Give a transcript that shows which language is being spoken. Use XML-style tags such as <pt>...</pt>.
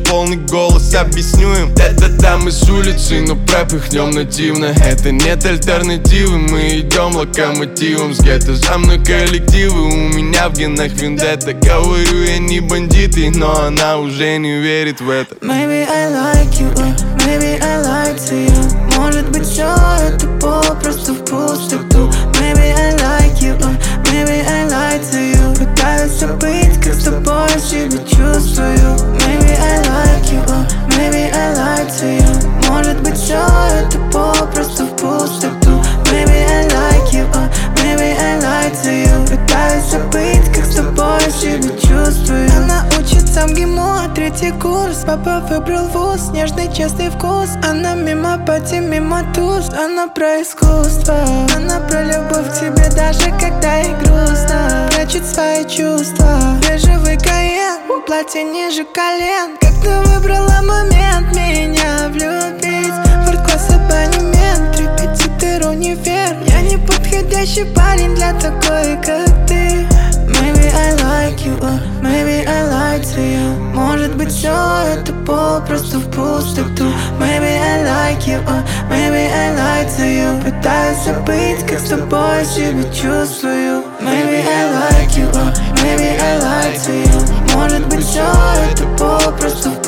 <ru>Полный голос, объясню им. Да-да-да, мы с улицы, но пропихнем нативно. Это нет альтернативы. Мы идем локомотивом с гетто. За мной коллективы, у меня в генетике Виндетта. Говорю, я не бандит, но она уже не верит в это.</ru> <en>Maybe I like you, maybe I lied to you.</en> <ru>Может быть, все это попросту в пустоту.</ru> <en>Maybe I like you, maybe I lied to you.</en> <ru>Пытаюсь забыть, как с тобой себя чувствую.</ru> <en>Maybe I like you, maybe I lied to you.</en> <ru>Может быть, все это попросту в пустоту.</ru> <en>Maybe I like you, maybe I lied to you.</en> <ru>Пытаюсь забыть, чувствую. Она учится в ГИМО, третий курс. Папа выбрал вуз, нежный, честный вкус. Она мимо пати, мимо туз. Она про искусство. Она про любовь к тебе, даже когда ей грустно. Прячет свои чувства. Бежевый каен, платье ниже колен. Как ты выбрала момент меня влюбить? Форткос, абонемент, репетитор, универ. Я не подходящий парень для такой, как ты.</ru> <en>Maybe I lied to you.</en> <ru>Может быть, все это попросту в пустоту.</ru> <en>Maybe I like you, maybe I lied to you.</en> <ru>Пытаюсь забыть, как с тобой себя чувствую.</ru> <en>Maybe I like you, maybe I lied to you.</en> <ru>Может быть, все это попросту.</ru>